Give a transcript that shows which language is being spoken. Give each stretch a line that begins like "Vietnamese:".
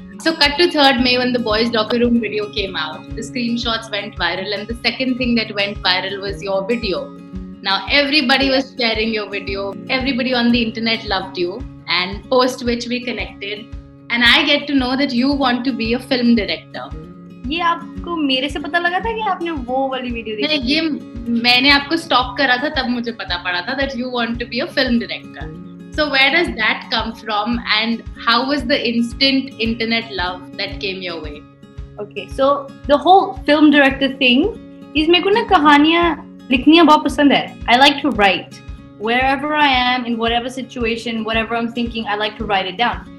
English: So cut to 3rd May when the boys' locker room video came out, the screenshots went viral, and the second thing that went viral was your video. Now everybody was sharing your video, everybody on the internet loved you, and post which we connected. And I get to know that you want to be a film director.
Hindi: ये आपको मेरे से पता लगा था कि आपने वो वाली वीडियो देखी? नहीं, ये मैंने आपको स्टॉक करा था तब मुझे पता पड़ा था
English: that you want to be a film director. So where does that come from and how was the instant internet love that came your way? Okay, so the whole film director thing is
Hindi: मेरे को ना कहानियाँ लिखनियाँ बहुत पसंद है.
English: I like to write wherever I am in whatever situation, whatever I'm thinking, I like to write it down.